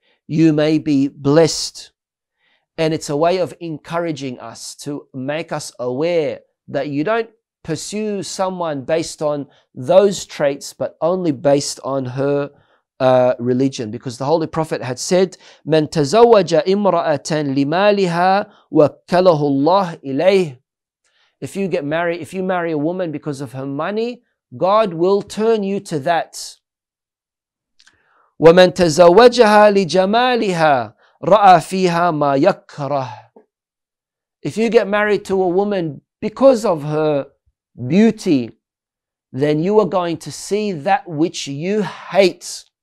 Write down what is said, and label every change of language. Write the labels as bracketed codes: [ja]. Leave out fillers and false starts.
[en] You may be blessed. And it's a way of encouraging us to make us aware that you don't pursue someone based on those traits, but only based on her religion. Because the Holy Prophet had said, [ar] مَنْ تَزَوَّجَ إِمْرَأَةً لِمَالِهَا وَكَّلَهُ اللَّهُ إِلَيْهِ. [en] If you get married, if you marry a woman because of her money, God will turn you to that. [ar] وَمَنْ تَزَوَّجَهَا لِجَمَالِهَا رَأَى فِيهَا مَا يَكْرَهُ. [en] If you get married to a woman because of her beauty, then you are going to see that which you hate.